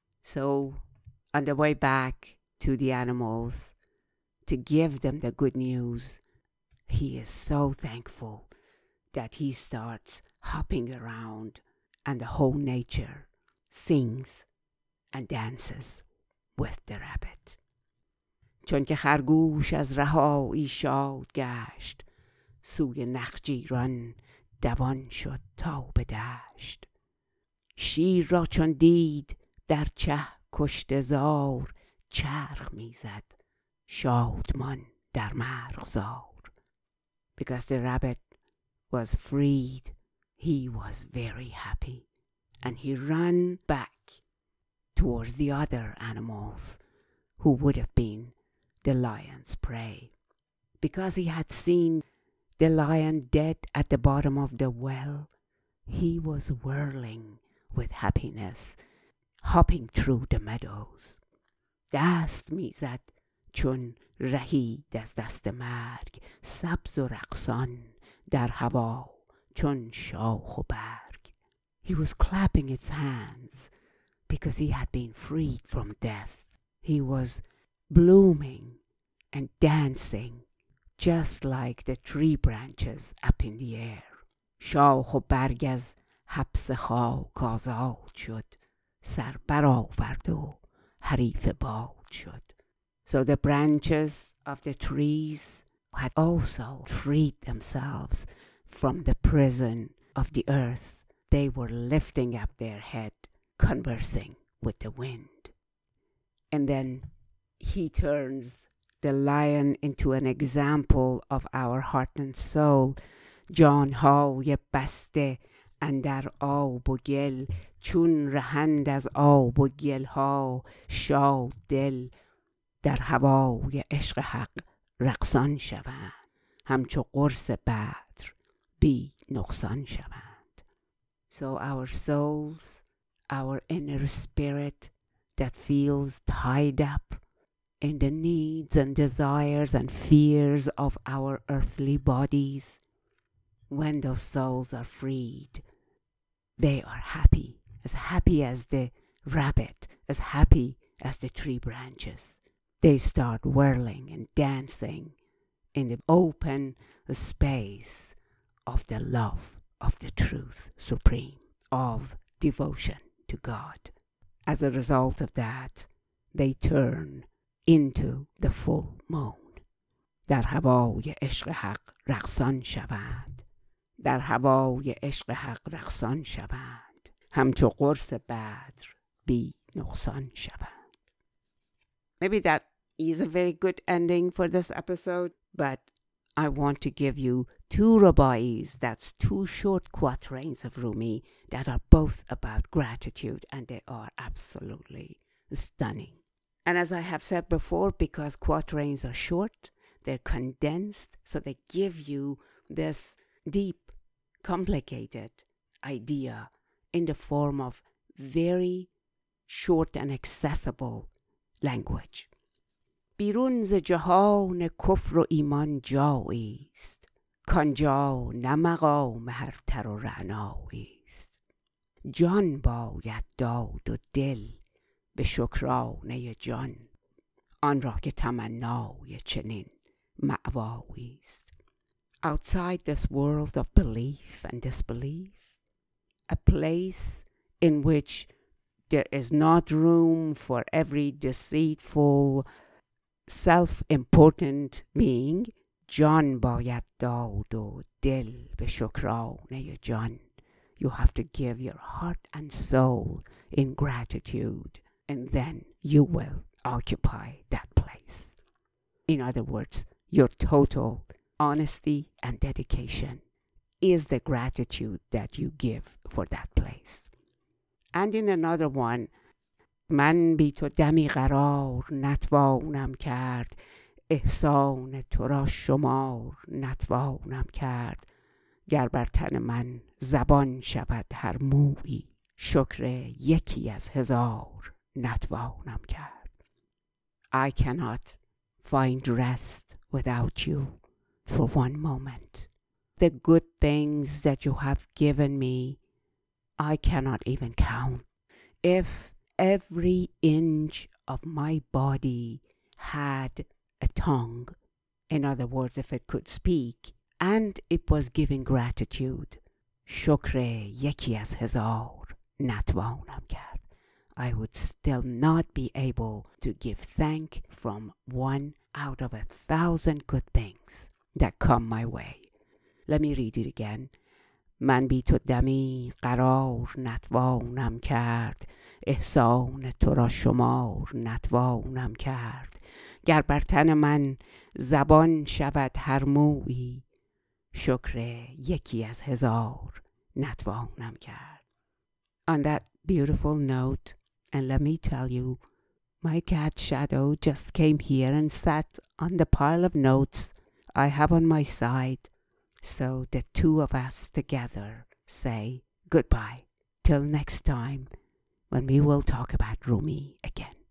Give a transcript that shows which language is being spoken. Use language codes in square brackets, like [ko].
[en] So on the way back to the animals to give them the good news, he is so thankful that he starts hopping around and the whole nature sings and dances with the rabbit. [fa] چون که خرگوش از رهایی شاد گشت، سوی نخجیران دوان شد تا به دشت. شیر را چون دید در چه کشتزار، چرخ می زد شادمان در مرغزار. [en] Because the rabbit was freed, he was very happy, and he ran back towards the other animals who would have been the lion's prey. Because he had seen the lion dead at the bottom of the well, he was whirling with happiness, hopping through the meadows. [fa] دست می زد چون رهید از دست مرگ، سبز و رقصان در هوا چون شاخ و برگ. [en] He was clapping its hands because he had been freed from death. He was blooming and dancing just like the tree branches up in the air. [fa] شاخ و برگ از حبس خاک آزاد شد، سر برآورد و حریف باد شد. [en] So the branches of the trees had also freed themselves from the prison of the earth. They were lifting up their head, conversing with the wind. And then he turns the lion into an example of our heart and soul. [fa] جان های بسته اندر آب و گل، چون رهند از آب و گل ها شاد دل، در هوای عشق حق رقصان شوند، همچو قرص بدر بی نقصان شوند. [en] So our souls, our inner spirit that feels tied up in the needs and desires and fears of our earthly bodies, when those souls are freed, they are happy as the rabbit, as happy as the tree branches. They start whirling and dancing in the open space of the love of the truth supreme, of devotion to God. As a result of that, they turn into the full moon. [fa] در هوای عشق حق رقصان شوند. در هوای عشق حق رقصان شوند. همچو قرص بدر بی نقصان شوند. [en] Maybe that is a very good ending for this episode, but I want to give you two rubais, that's two short quatrains of Rumi, that are both about gratitude, and they are absolutely stunning. And as I have said before, because quatrains are short, they're condensed, so they give you this deep, complicated idea in the form of very short and accessible language. [fa] بیرون ز جهان کفر و ایمان جایی است، کانجا نه مقام هر تر و رعنایی است. جان باید داد و دل به شکرانه جان، آن را که تمنای چنین مأواویست. [en] Outside this world of belief and disbelief, a place in which there is not room for every deceitful, self-important being, [fa] جان باید داد و دل به شکرانه جان. [en] You have to give your heart and soul in gratitude, and then you will occupy that place. In other words, your total honesty and dedication is the gratitude that you give for that place. And in another one, [fa] من بی تو دمی قرار نتوانم کرد، احسان تو را شمار نتوانم کرد، گر بر تن من زبان شود هر مویی، شکر یکی از هزار نتوانم کرد. [en] I cannot find rest without you for one moment. The good things that you have given me, I cannot even count. If every inch of my body had a tongue, in other words, if it could speak, and it was giving gratitude, [fa] شکر یکی از هزار نتوانم کرد, [en] I would still not be able to give thank from one out of 1,000 good things that come my way. Let me read it again. [fa] من بی تو دمی قرار نتوانم کرد, احسان تو را شمار نتوانم کرد, گر بر تن من زبان شود هر مویی, شکر یکی از هزار نتوانم کرد. [en] On that beautiful note, and let me tell you, my cat Shadow just came here and sat on the pile of notes I have on my side. So the two of us together say goodbye till next time, when we will talk about Rumi again.